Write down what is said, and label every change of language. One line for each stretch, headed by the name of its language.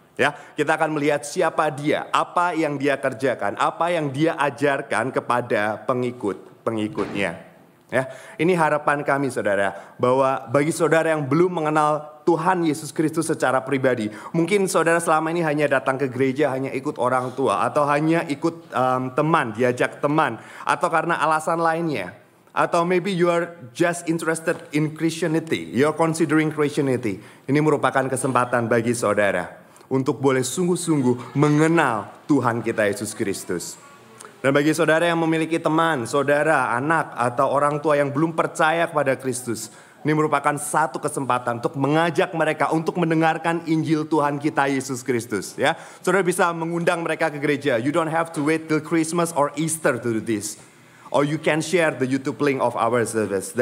Indonesian: Ya, kita akan melihat siapa dia, apa yang dia kerjakan, apa yang dia ajarkan kepada pengikut-pengikutnya. Ya, ini harapan kami saudara, bahwa bagi saudara yang belum mengenal Tuhan Yesus Kristus secara pribadi, mungkin saudara selama ini hanya datang ke gereja, hanya ikut orang tua, atau hanya ikut teman, diajak teman, atau karena alasan lainnya. Atau
English: maybe you are just interested in Christianity, you're considering Christianity.
Indonesian: Ini merupakan kesempatan bagi saudara untuk boleh sungguh-sungguh mengenal Tuhan kita Yesus Kristus. Dan bagi saudara yang memiliki teman, saudara, anak, atau orang tua yang belum percaya kepada Kristus, ini merupakan satu kesempatan untuk mengajak mereka untuk mendengarkan Injil Tuhan kita Yesus Kristus. Ya, saudara bisa mengundang mereka ke gereja.
English: You don't have to wait till Christmas or Easter to do this. Or you can share the YouTube link of our service.